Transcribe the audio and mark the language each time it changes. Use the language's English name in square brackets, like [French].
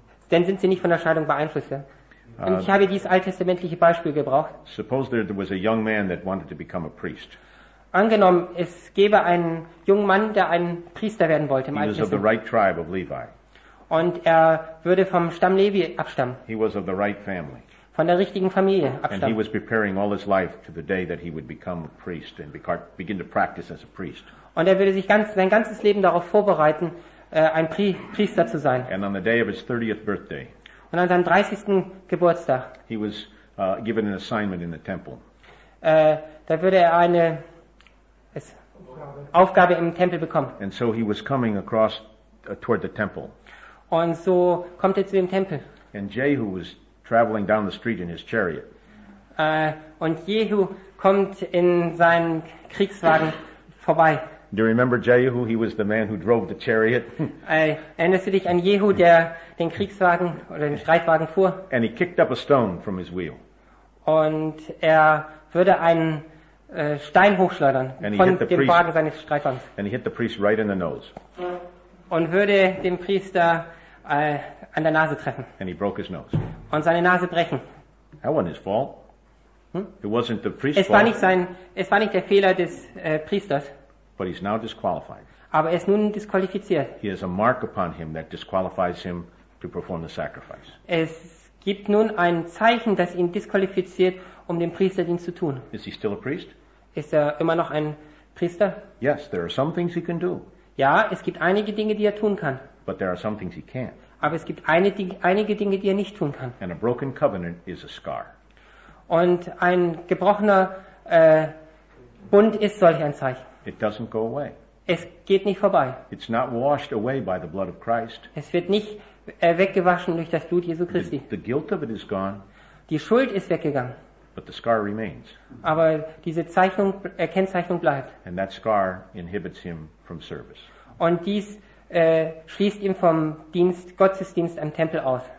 [German] Dann sind sie nicht von der Scheidung beeinflusst. Ja? Und ich habe dieses alttestamentliche Beispiel gebraucht. [English] Suppose there was a young man that wanted to become a priest. [German] Angenommen, es gäbe einen jungen Mann, der ein Priester werden wollte im Alten Testament. [English] He was of the right tribe of Levi. [German] Und er würde vom Stamm Levi abstammen. [English] He was of the right family. [German] Von der richtigen Familie abstammen. [English] And he was preparing all his life to the day that he would become a priest and begin to practice as a priest. [German] Und er würde sich sein ganzes Leben darauf vorbereiten, ein Priester zu sein. [English] And on the day of his 30th birthday. [German] Und an seinem 30. Geburtstag. [English] He was given an assignment in the temple. [German] Da würde er eine Aufgabe im Tempel bekommen. [English] And so he was coming across toward the temple. [German] Und so kommt er zu dem Tempel. [English] And Jehu was traveling down the street in his chariot. [German] Und Jehu kommt in seinen Kriegswagen vorbei. [English] Do you remember Jehu? He was the man who drove the chariot. [German] Erinnerst du dich an Jehu, der den Kriegswagen oder den Streitwagen fuhr? [English] And he kicked up a stone from his wheel. [German] Und er würde einen Stein hochschleudern von dem Wagen seines Streitwagens. [English] And he hit the priest right in the nose. [German] Und würde den Priester an der Nase treffen. [English] And he broke his nose. [German] Und seine Nase brechen. [English] That wasn't his fault. It wasn't the priest's fault. [German] Es war nicht der Fehler des Priesters. [English] But he's now disqualified. [German] Aber er ist nun disqualifiziert. [English] He has a mark upon him that disqualifies him to perform the sacrifice. [German] Es gibt nun ein Zeichen, das ihn disqualifiziert, um den Priesterdienst zu tun. [English] Is he still a priest? [German] Ist er immer noch ein Priester? [English] Yes, there are some things he can do. [German] Ja, es gibt einige Dinge, die er tun kann. [English] But there are some things he can't. [German] Aber es gibt einige Dinge, die er nicht tun kann. [English] And a broken covenant is a scar. [German] Und ein gebrochener Bund ist solch ein Zeichen. [English] It doesn't go away. [German] Es geht nicht vorbei. [English] It's not washed away by the blood of Christ. [German] Es wird nicht weggewaschen durch das Blut Jesu Christi. [English] The guilt of it is gone. [German] Die Schuld ist weggegangen. [English] But the scar remains. [German] Aber diese Kennzeichnung bleibt. [English] And that scar inhibits him from service. [German] Und dies schließt ihn vom Dienst, Gottesdienst am Tempel aus.